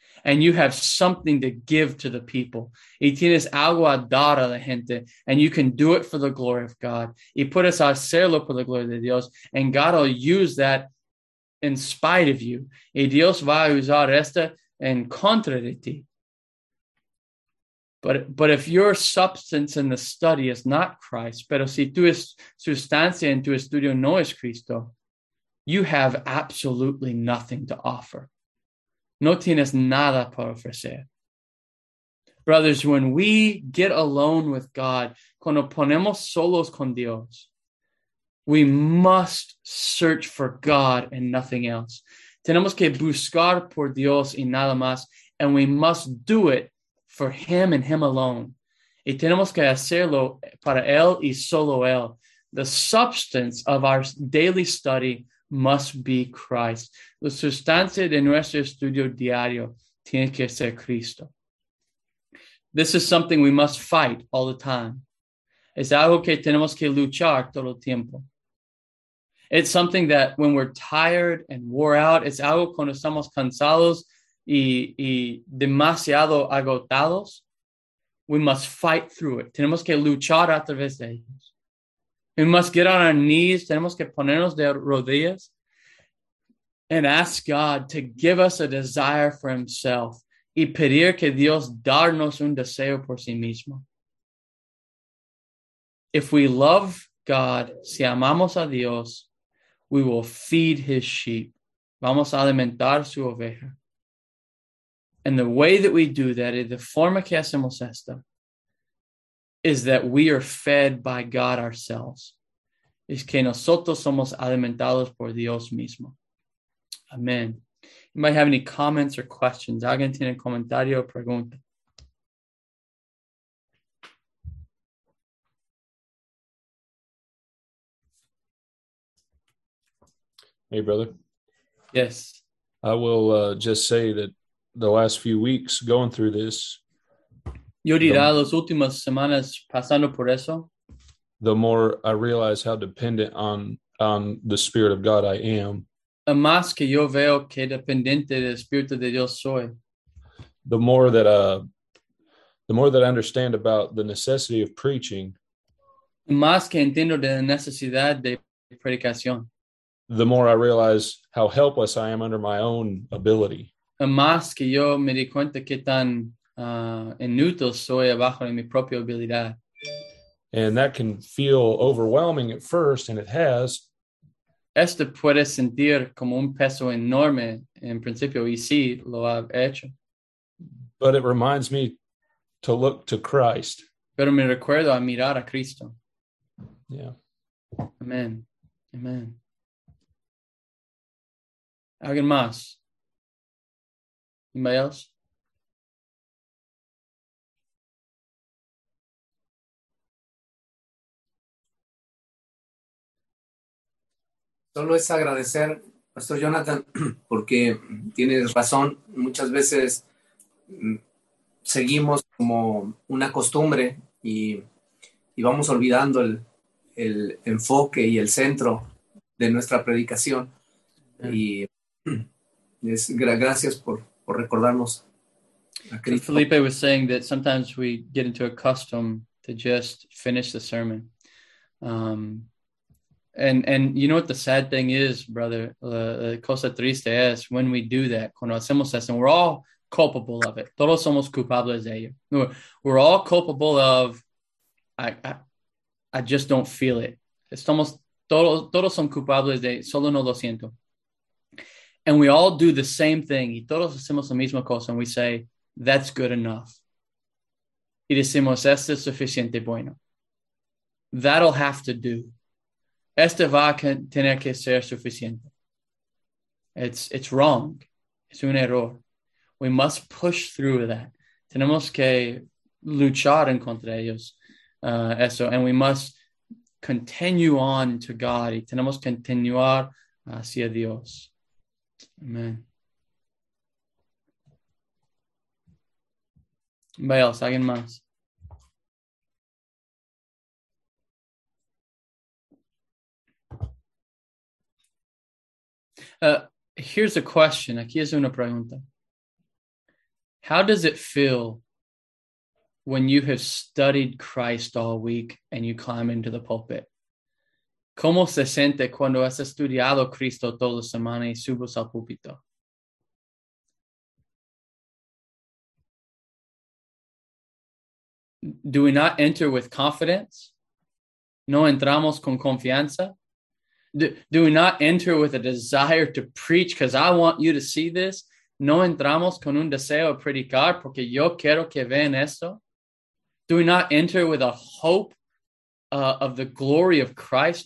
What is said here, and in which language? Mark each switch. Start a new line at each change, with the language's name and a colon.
English: And you have something to give to the people.
Spanish: Y tienes algo a dar a la gente.
English: And you can do it for the glory of God.
Spanish: Y puedes hacerlo por la gloria de Dios.
English: And God will use that in spite of you.
Spanish: Y Dios va a usar esta en contra de ti.
English: But if your substance in the study is not Christ,
Spanish: pero si tu sustancia en tu estudio no es Cristo,
English: you have absolutely nothing to offer.
Spanish: No tienes nada para ofrecer.
English: Brothers, when we get alone with God,
Spanish: cuando ponemos solos con Dios,
English: we must search for God and nothing else.
Spanish: Tenemos que buscar por Dios y nada más.
English: And we must do it for Him and Him alone.
Spanish: Y tenemos que hacerlo para Él y solo Él.
English: The substance of our daily study must be Christ.
Spanish: La sustancia de nuestro estudio diario tiene que ser Cristo.
English: This is something we must fight all the time.
Spanish: Es algo que tenemos que luchar todo el tiempo.
English: It's something that when we're tired and wore out,
Spanish: es algo cuando estamos cansados y demasiado agotados,
English: we must fight through it.
Spanish: Tenemos que luchar a través de ellos.
English: We must get on our knees.
Spanish: Tenemos que ponernos de rodillas
English: and ask God to give us a desire for himself
Spanish: y pedir que Dios darnos un deseo por sí mismo.
English: If we love God,
Spanish: si amamos a Dios,
English: we will feed his sheep.
Spanish: Vamos a alimentar su oveja.
English: And the way that we do that, the
Spanish: forma que hacemos esto,
English: is that we are fed by God ourselves.
Spanish: Es que nosotros somos alimentados por Dios mismo.
English: Amen. You might have any comments or questions.
Spanish: ¿Alguien tiene comentario o pregunta?
English: Hey, brother. Yes. I will just say that the last few weeks going through this.
Spanish: Yo diría las últimas semanas pasando por eso.
English: The more I realize how dependent on the Spirit of God I am.
Spanish: A más que yo veo que dependiente del Espíritu de Dios soy.
English: The more that I understand about the necessity of preaching.
Spanish: Más que entiendo de la necesidad de predicación.
English: The more I realize how helpless I am under my own ability.
Spanish: Más que yo me di cuenta que tan inútil soy abajo de mi propia habilidad.
English: And that can feel overwhelming at first, and it has.
Spanish: Esto puede sentir como un peso enorme en principio, y sí, lo ha hecho.
English: But it reminds me to look to Christ.
Spanish: Pero me recuerdo a mirar a Cristo.
English: Yeah. Amen. Amen.
Spanish: ¿Alguien más?
English: ¿Anybody else?
Spanish: Solo es agradecer, Pastor Jonathan, porque tienes razón. Muchas veces seguimos como una costumbre y vamos olvidando el enfoque y el centro de nuestra predicación. Y gracias por recordarnos a Cristo.
English: Felipe was saying that sometimes we get into a custom to just finish the sermon. And you know what the sad thing is, brother?
Spanish: La cosa triste es
English: when we do that,
Spanish: cuando hacemos eso,
English: and we're all culpable of it.
Spanish: Todos somos culpables de ello.
English: We're all culpable of, I just don't feel it.
Spanish: Estamos, todos son culpables de, solo no lo siento.
English: And we all do the same thing.
Spanish: Y todos hacemos la misma cosa.
English: And we say, that's good enough.
Spanish: Y decimos, esto es suficiente bueno.
English: That'll have to do.
Spanish: Esto va a tener que ser suficiente.
English: It's wrong.
Spanish: Es un error.
English: We must push through that.
Spanish: Tenemos que luchar en contra de ellos. Eso.
English: And we must continue on to God.
Spanish: Y tenemos que continuar hacia Dios.
English: Amen. Anybody else?
Spanish: ¿Alguien más?
English: Here's a question.
Spanish: Aquí es una pregunta.
English: How does it feel when you have studied Christ all week and you climb into the pulpit?
Spanish: ¿Cómo se siente cuando has estudiado Cristo toda la semana y subes al púlpito?
English: Do we not enter with confidence?
Spanish: ¿No entramos con confianza?
English: Do we not enter with a desire to preach because I want you to see this?
Spanish: ¿No entramos con un deseo de predicar porque yo quiero que vean esto?
English: Do we not enter with a hope of the glory of Christ?